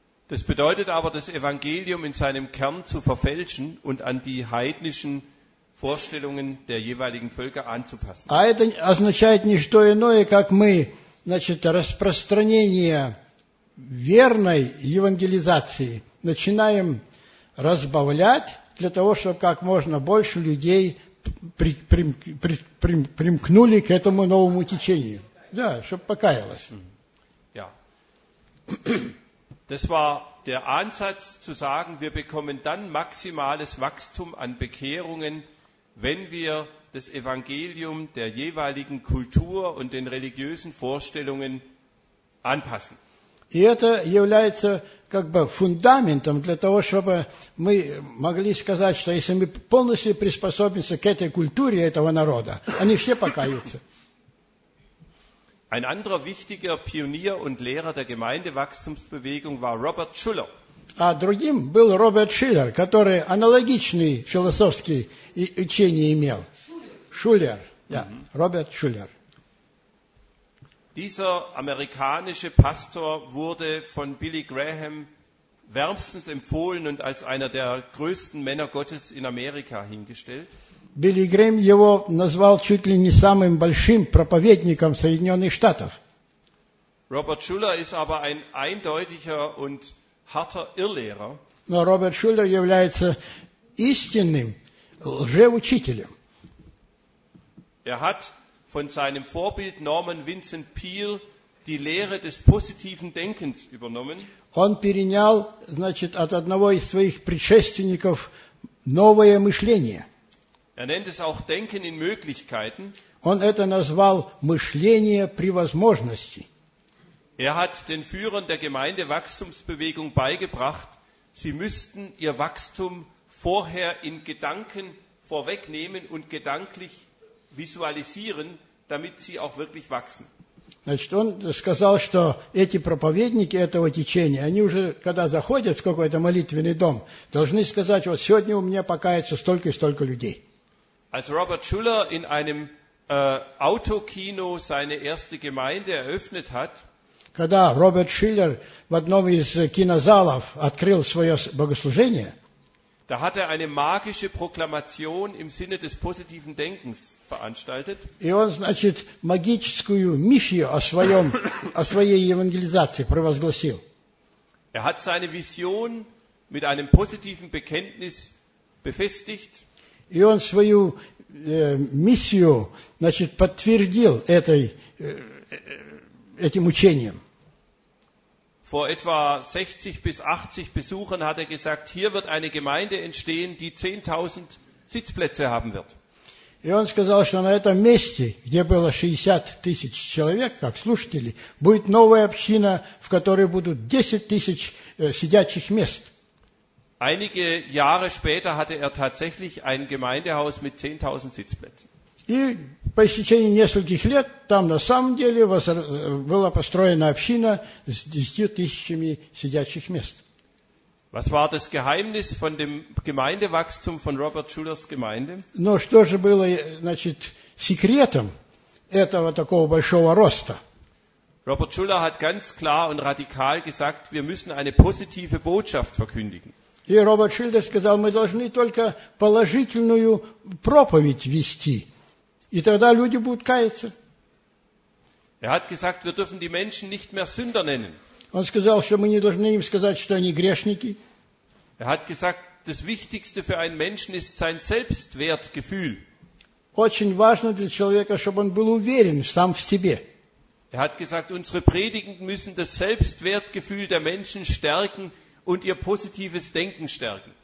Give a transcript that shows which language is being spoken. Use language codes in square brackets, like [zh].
[de] Das bedeutet aber, das Evangelium in seinem Kern zu verfälschen und an die heidnischen Vorstellungen der jeweiligen Völker anzupassen. [ru] А это означает не что иное, как мы, значит, распространение верной евангелизации начинаем разбавлять для того, чтобы как можно больше людей примкнули к этому новому течению. Да, чтобы покаялось. [de] Ja. Das war der Ansatz zu sagen, wir bekommen dann maximales Wachstum an Bekehrungen, wenn wir das Evangelium der jeweiligen Kultur und den religiösen Vorstellungen anpassen. [ru] И это является как бы фундаментом для того, чтобы мы могли сказать, что если мы полностью приспособимся к этой культуре этого народа, они все покаются. [de] Ein anderer wichtiger Pionier und Lehrer der Gemeindewachstumsbewegung war Robert Schuller. [ru] А другим был Роберт Шиллер, который аналогичные философские учения имел. Шуллер, ja, Роберт Шуллер. [de] Dieser amerikanische Pastor wurde von Billy Graham wärmstens empfohlen und als einer der größten Männer Gottes in Amerika hingestellt. [ru] Билли Грэм его назвал чуть ли не самым большим проповедником Соединенных Штатов. [de] Robert Schuller ist aber ein eindeutiger und harter Irrlehrer. [ru] Но Роберт Шуллер является истинным лжеучителем. [de] Er hat von seinem Vorbild Norman Vincent Peale die Lehre des positiven Denkens übernommen. [ru] Он перенял, значит, от одного из своих предшественников новое мышление. [de] Er nennt es auch Denken in Möglichkeiten. [ru] Он это назвал мышление при возможности. [de] Er hat den Führern der Gemeindewachstumsbewegung beigebracht, sie müssten ihr Wachstum vorher in Gedanken vorwegnehmen und gedanklich visualisieren, damit sie auch wirklich wachsen. [ru] Значит, он сказал, что эти проповедники этого течения, они уже, когда заходят в какой-то молитвенный дом, должны сказать, вот сегодня у меня покаятся столько и столько людей. [de] Als Robert Schuller in einem Autokino seine erste Gemeinde eröffnet hat, [ru] когда Роберт Шиллер в одном из кинозалов открыл свое богослужение, [de] da hat er eine magische Proklamation im Sinne des positiven Denkens veranstaltet. [ru] И он, значит, магическую миссию о своей евангелизации провозгласил. [de] Er hat seine Vision mit einem positiven Bekenntnis befestigt. [ru] И он свою миссию, значит, подтвердил этим учением. [de] Vor etwa 60 bis 80 Besuchern hat er gesagt, hier wird eine Gemeinde entstehen, die 10.000 Sitzplätze haben wird. [ru] И он сказал, что на этом месте, где было 60 тысяч человек, как слушателей, будет новая община, в которой будут 10 тысяч сидячих мест. [de] Einige Jahre später hatte er tatsächlich ein Gemeindehaus mit 10.000 Sitzplätzen. [ru] И по истечении нескольких лет там на самом деле была построена община с 10 000 сидячих мест. [de] Was war das Geheimnis von dem Gemeindewachstum von Robert Schulers Gemeinde? [ru] Но что же было, значит, секретом этого такого большого роста? [de] Robert Schuller hat ganz klar und radikal gesagt, wir müssen eine positive Botschaft verkündigen. [ru] И Роберт Шилдер сказал, мы должны только положительную проповедь вести, и тогда люди будут каяться. [de] Er hat gesagt, wir dürfen die Menschen nicht mehr Sünder nennen. [ru] Он сказал, что мы не должны им сказать, что они грешники. [de] Er hat gesagt, das Wichtigste für einen Menschen ist sein Selbstwertgefühl. [ru] Очень важно для человека, чтобы он был уверен сам в себе. [de] Er hat gesagt, unsere Predigten müssen das Selbstwertgefühl der Menschen stärken und ihr positives Denken stärken.